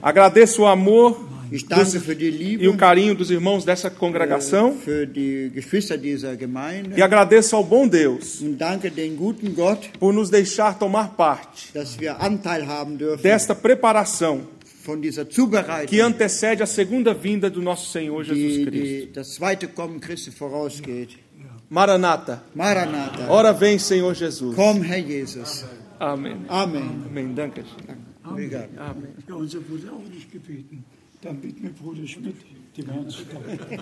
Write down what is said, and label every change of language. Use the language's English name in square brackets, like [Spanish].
[Portuguese] Agradeço o amor. [German] Ich danke für die Liebe, [Portuguese] e o carinho dos irmãos dessa congregação. [German] Für die Geschwister dieser Gemeinde, [Portuguese] e agradeço ao bom Deus. [German] Und danke den guten Gott, [Portuguese] por nos deixar tomar parte. [German] Dass wir Anteil haben dürfen, [Portuguese] desta preparação. [German] Von dieser Zubereitung, [Portuguese] que antecede a segunda vinda do nosso Senhor Jesus Cristo. [German] Die das zweite Kommen Christi vorausgeht. [Portuguese] Maranata. [German] Maranata. [Portuguese] Ora vem, Senhor Jesus. [German] Komm, Herr Jesus. Amen. Amen. Amen. Amen. Danke. [Portuguese] Obrigado. [German] Amen. Amen. Ja, unser Bruder auch nicht gebeten. Dann bitte mir Bruder Schmidt, die Herren zu kommen.